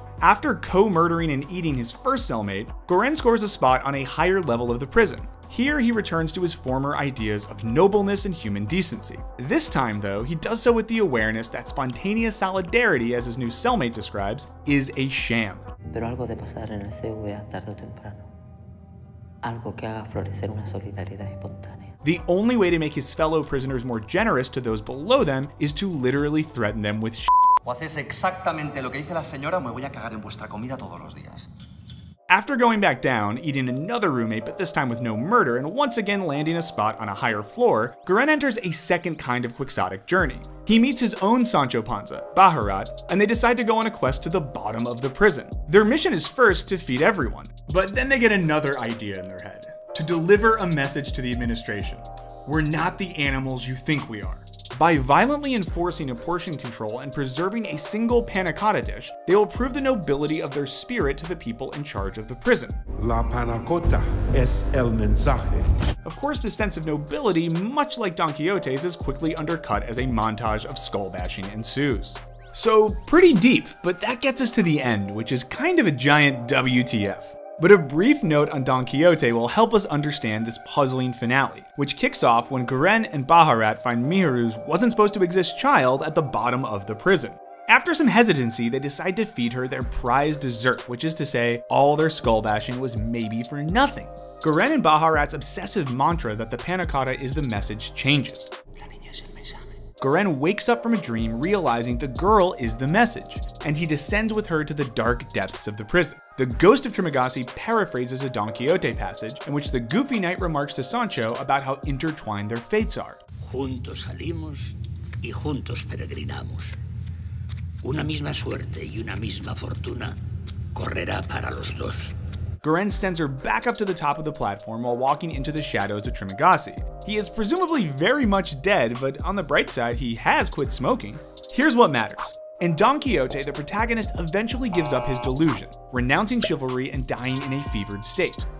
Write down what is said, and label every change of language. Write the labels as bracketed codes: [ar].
[en] After co-murdering and eating his first cellmate, Goren scores a spot on a higher level of the prison. Here, he returns to his former ideas of nobleness and human decency. This time, though, he does so with the awareness that spontaneous solidarity, as his new cellmate describes, is a sham. [es] Pero algo de pasar en el CVA tarde o temprano. Algo que haga florecer una solidaridad espontánea. [en] The only way to make his fellow prisoners more generous to those below them is to literally threaten them with sh**. [es] O haces exactamente lo que dice la señora, me voy a cagar en vuestra comida todos los días. [en] After going back down, eating another roommate, but this time with no murder, and once again landing a spot on a higher floor, Goren enters a second kind of quixotic journey. He meets his own Sancho Panza, Baharat, and they decide to go on a quest to the bottom of the prison. Their mission is first to feed everyone, but then they get another idea in their head. To deliver a message to the administration. We're not the animals you think we are. By violently enforcing a portion control and preserving a single panna cotta dish, they will prove the nobility of their spirit to the people in charge of the prison. [es] La panna cotta es el mensaje. [en] Of course, this sense of nobility, much like Don Quixote's, is quickly undercut as a montage of skull bashing ensues. So, pretty deep, but that gets us to the end, which is kind of a giant WTF. But a brief note on Don Quixote will help us understand this puzzling finale, which kicks off when Goren and Baharat find Miharu's wasn't supposed to exist child at the bottom of the prison. After some hesitancy, they decide to feed her their prized dessert, which is to say, all their skull bashing was maybe for nothing. Goren and Baharat's obsessive mantra that the panna cotta is the message changes. Goren wakes up from a dream, realizing the girl is the message, and he descends with her to the dark depths of the prison. The ghost of Trimagasi paraphrases a Don Quixote passage in which the goofy knight remarks to Sancho about how intertwined their fates are. [es] Juntos salimos y juntos peregrinamos. Una misma suerte y una misma fortuna correrá para los dos. [en] Goren sends her back up to the top of the platform while walking into the shadows of Trimagasi. He is presumably very much dead, but on the bright side, he has quit smoking. Here's what matters. In Don Quixote, the protagonist eventually gives up his delusion, renouncing chivalry and dying in a fevered state.